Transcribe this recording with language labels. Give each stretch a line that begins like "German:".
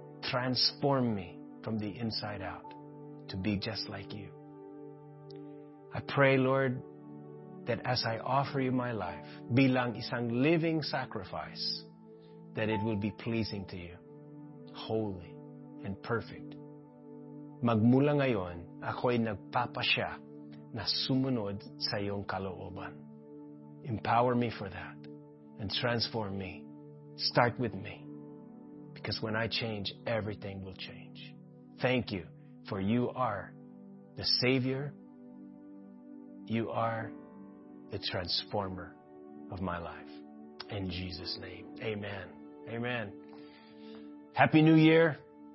English: Transform me from the inside out to be just like you. I pray, Lord, that as I offer you my life,
Filipino: bilang isang
English: living sacrifice, that it will be pleasing to you, holy and perfect.
Filipino: Magmula ngayon, ako'y nagpapasya na sumunod sa iyong kalooban.
English: Empower me for that and transform me. Start with me. Because when I change, everything will change. Thank you, for you are the Savior. You are the transformer of my life. In Jesus' name, amen. Amen. Happy New Year.